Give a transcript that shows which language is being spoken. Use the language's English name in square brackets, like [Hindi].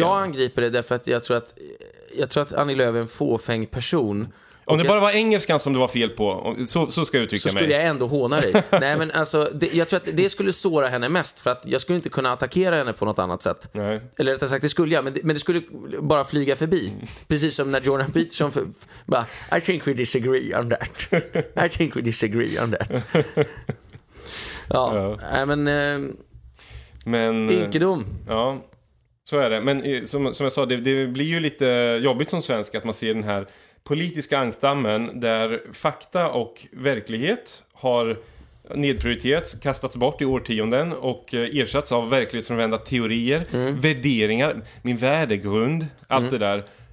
[Swedish] Jag angriper det därför att jag tror att Annie Lööf är en fåfäng person. Om det bara var engelskan som du var fel på, så ska jag uttrycka mig. Så skulle jag ändå håna dig. Nej, men alltså, jag tror att det skulle såra henne mest, för att jag skulle inte kunna attackera henne på något annat sätt. Nej. Eller rättare sagt, det skulle jag, men det skulle bara flyga förbi. Precis som när Jordan Peterson bara, [English] I think we disagree on that. I think we disagree on that. [Swedish] Ja, ja. Nej, men... Ynkedom. Ja, så är det. Men som jag sa, det blir ju lite jobbigt som svensk att man ser den här politiska ankdammen där fakta och verklighet har nedprioriterats, kastats bort i årtionden och ersatts av verklighetsfrånvända teorier, värderingar, min värdegrund, allt det där.